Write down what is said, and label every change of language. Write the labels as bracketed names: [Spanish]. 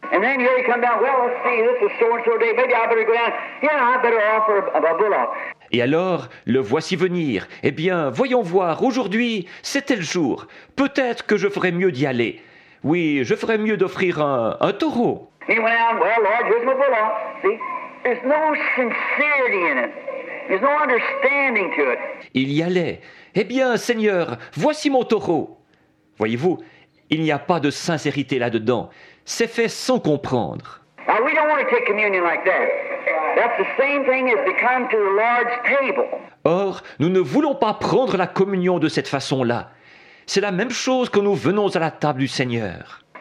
[English] And then here he comes down. Well, let's see. This is so and so day. Maybe I better go down. Yeah, I better offer a bullock. [French] Et alors, le voici venir. Eh bien, voyons voir. Aujourd'hui, c'est tel jour. Peut-être que je ferais mieux d'y aller. Oui, je ferais mieux d'offrir un taureau. [English] He went down. Well, Lord, here's my bullock. See, there's no sincerity in it. There's no understanding to it. [French] Il y allait. Eh bien, Seigneur, voici mon taureau. Voyez-vous, il n'y a pas de sincérité là-dedans. C'est fait sans comprendre. [English] Now, we don't want to take communion like that. That's the same thing as to come to the Lord's table. [French] Or, nous ne voulons pas prendre la communion de cette façon-là. C'est la même chose que nous venons à la table du Seigneur.